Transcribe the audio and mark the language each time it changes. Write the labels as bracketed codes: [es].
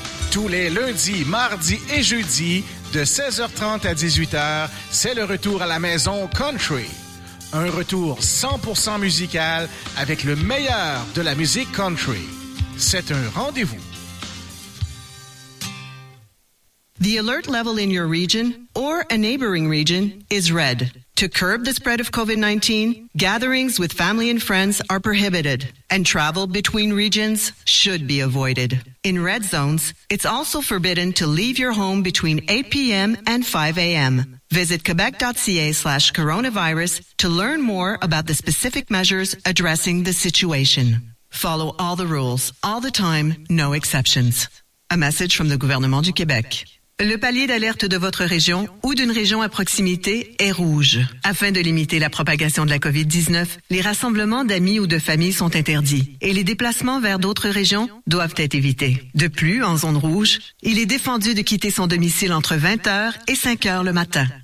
[fr] Tous les lundis, mardis et jeudis, de 16h30 à 18h, c'est le retour à la maison country. Un retour 100% musical avec le meilleur de la musique country. C'est un rendez-vous. [en] The alert level in your region or a neighboring region is red. To curb the spread of COVID-19, gatherings with family and friends are prohibited, and travel between regions should be avoided. In red zones, it's also forbidden to leave your home between 8 p.m. and 5 a.m. Visit quebec.ca/coronavirus to learn more about the specific measures addressing the situation. Follow all the rules, all the time, no exceptions. A message from the gouvernement du Québec. [fr] Le palier d'alerte de votre région ou d'une région à proximité est rouge. Afin de limiter la propagation de la COVID-19, les rassemblements d'amis ou de famille sont interdits et les déplacements vers d'autres régions doivent être évités. De plus, en zone rouge, il est défendu de quitter son domicile entre 20h et 5h le matin.